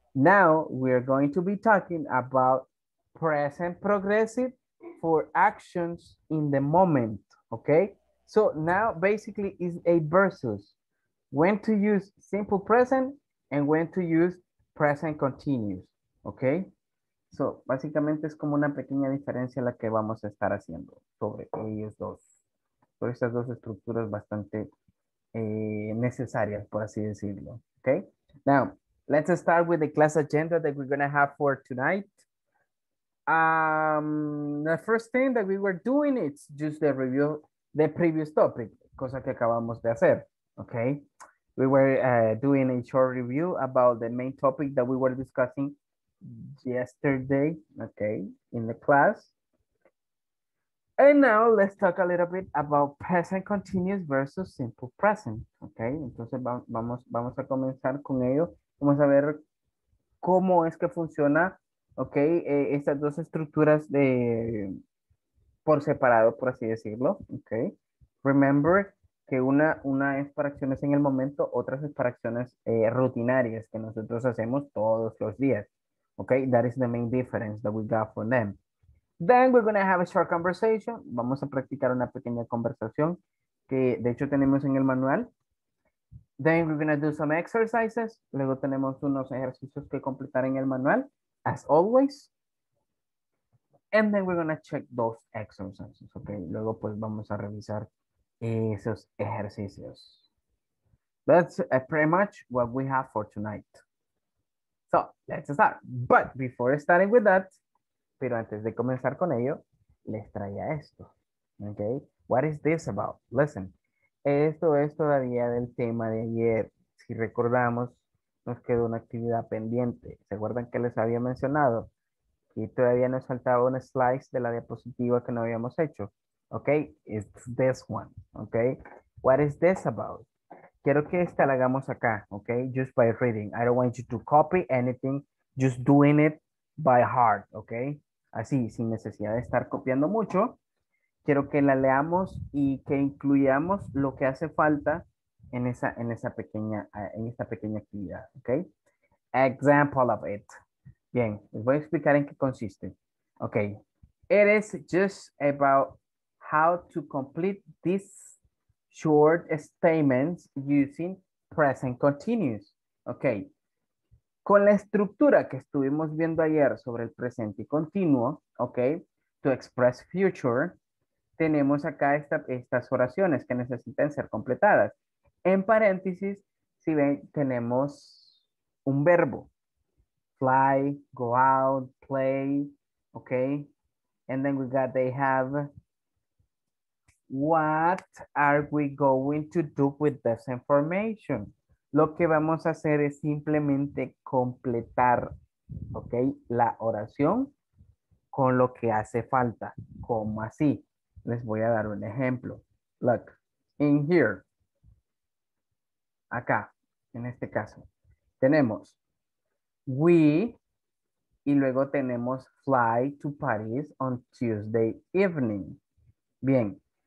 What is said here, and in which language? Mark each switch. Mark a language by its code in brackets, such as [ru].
[en] Now we're going to be talking about present progressive for actions in the moment, okay? So now basically is a versus when to use simple present and when to use present continuous, okay? [es] So, básicamente es como una pequeña diferencia la que vamos a estar haciendo sobre ellos dos. Sobre estas dos estructuras bastante necesarias, por así decirlo. [en] Okay? Now, let's start with the class agenda that we're going to have for tonight. The first thing that we were doing is just the review, the previous topic, [es] cosa que acabamos de hacer. [en] Okay? We were doing a short review about the main topic that we were discussing yesterday, okay, in the class. And now let's talk a little bit about present continuous versus simple present, okay? [es] Entonces vamos a comenzar con ello. Vamos a ver cómo es que funciona, okay, estas dos estructuras de por separado, por así decirlo, okay? Remember, que una es para acciones en el momento, otras es para acciones rutinarias que nosotros hacemos todos los días. [en] Okay, that is the main difference that we got from them. Then we're going to have a short conversation. [es] Vamos a practicar una pequeña conversación que de hecho tenemos en el manual. [en] Then we're going to do some exercises. [es] Luego tenemos unos ejercicios que completar en el manual, [en] as always. And then we're going to check those exercises. [es] Okay, luego pues vamos a revisar esos ejercicios. [en] That's pretty much what we have for tonight. So, let's start. But before starting with that, [es] pero antes de comenzar con ello, les traía esto. [en] Okay, what is this about? [es] Listen, esto es todavía del tema de ayer. Si recordamos, nos quedó una actividad pendiente. ¿Se acuerdan que les había mencionado? Y todavía nos faltaba un slice de la diapositiva que no habíamos hecho. [en] Okay, it's this one. Okay, what is this about? [es] Quiero que esta la hagamos acá, [en] okay? Just by reading. I don't want you to copy anything. Just doing it by heart, [es] okay? Así, sin necesidad de estar copiando mucho. Quiero que la leamos y que incluyamos lo que hace falta en esta pequeña actividad, okay? [en] Example of it. [es] Bien, les voy a explicar en qué consiste. [en] Okay. It is just about how to complete this short statements using present continuous. Ok. [es] Con la estructura que estuvimos viendo ayer sobre el presente y continuo, ok, [en] to express future, [es] tenemos acá estas oraciones que necesitan ser completadas. En paréntesis, si ven, tenemos un verbo. [en] Fly, go out, play, ok. And then we got, they have... What are we going to do with this information? [es] Lo que vamos a hacer es simplemente completar, ¿ok? La oración con lo que hace falta. ¿Cómo así? Les voy a dar un ejemplo. [en] Look, in here. [es] Acá, en este caso. Tenemos we y luego tenemos [en] fly to Paris on Tuesday evening. [es] Bien.